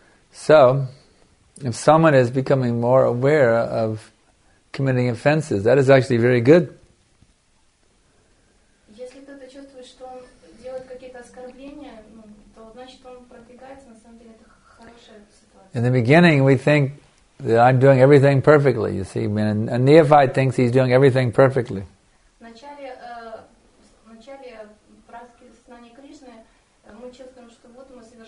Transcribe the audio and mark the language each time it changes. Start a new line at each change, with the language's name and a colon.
English: So, if someone is becoming more aware of committing offenses, that is actually very good.
Russian: Если кто-то чувствует, что он делает какие-то оскорбления, то значит, он продвигается. На самом деле, это хорошая ситуация.
English: In the beginning, we think, that I'm doing everything perfectly, you see. I mean, a neophyte thinks he's doing everything perfectly.
Russian: Начале практики знания Кришны мы чувствуем, что вот мы